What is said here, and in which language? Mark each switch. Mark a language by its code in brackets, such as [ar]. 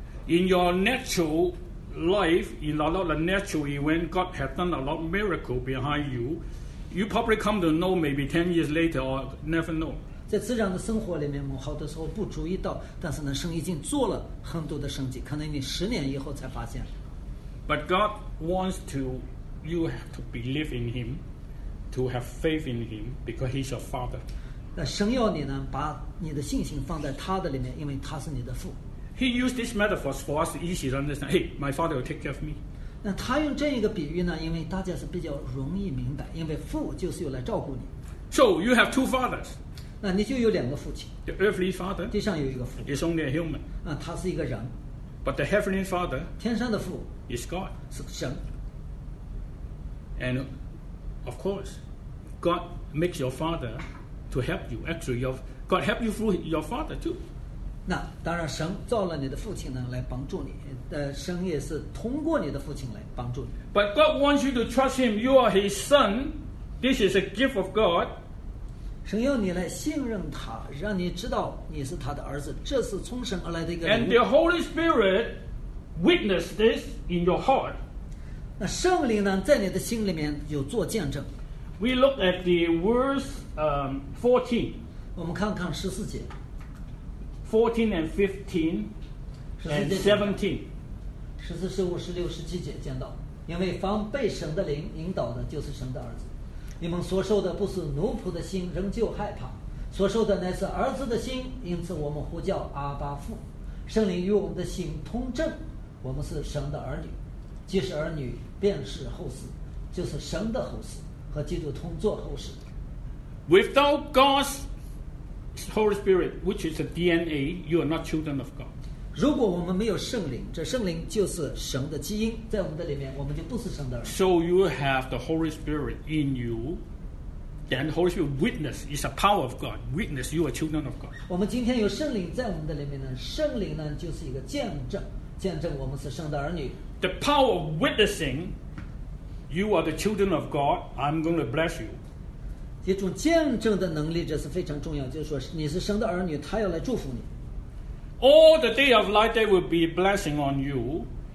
[en] In your natural life, in a lot of natural event, God has done a lot of miracle behind you. You probably come to know maybe 10 years later or never know. [zh] 在自然的生活里面，我们好多时候不注意到，但是呢，神已经做了很多的神迹，可能你10年以后才发现。 [en] But God wants to you have to believe in Him, to have faith in Him, because He's your Father. [zh] 神要你呢把你的信心放在他的里面，因为他是你的父。 [en] He used this metaphor for us easy to understand. Hey, my father will take care of me. [zh] 那他用这一个比喻呢，因为大家是比较容易明白，因为父就是用来照顾你。 [en] So you have two fathers. [zh] 那你就有两个父亲。 [en] The earthly father. [zh] 地上有一个父。 [en] It's only a human. [zh] 那他是一个人。 [en] But the heavenly father. [zh] 天上的父。 [en] Is God. [zh] 是神。 [en] And of course, God makes your fatherTo help you, actually, God help you through your father too. [zh] 那当然，神造了你的父亲呢，来帮助你。神也是通过你的父亲来帮助你。 [en] But God wants you to trust Him. You are His son. This is a gift of God. [zh] 神要你来信任他，让你知道你是他的儿子，这是从神而来的一个礼物。 [en] And the Holy Spirit witnessed this in your heart. [zh] 那圣灵呢，在你的心里面有做见证。 [en] We look at the verse 14. [zh] 我们看看十四节。 [en] 14 and 15 and 17. [zh] 十四、十五、十六、十七节见到，因为凡被神的灵引导的，就是神的儿子。你们所受的不是奴仆的心，仍旧害怕；所受的乃是儿子的心，因此我们呼叫阿爸父。圣灵与我们的心通证，我们是神的儿女。既是儿女，便是后嗣，就是神的后嗣，和基督同作后嗣。 [en] Without God's Holy Spirit, which is the DNA, you are not children of God. [zh] 如果我们没有圣灵，这圣灵就是神的基因，在我们的里面，我们就不是神的儿女。 [en] So you have the Holy Spirit in you, then the Holy Spirit witness is a power of God. Witness, you are children of God. [zh] 我们今天有圣灵在我们的里面呢，圣灵呢就是一个见证，见证我们是神的儿女。 [en] The power of witnessing, you are the children of God. I'm going to bless you. [zh] 一种见证的能力，这是非常重要，就是说你是神的儿女，他要来祝福你。 [en] All the day of life there will be blessing on you.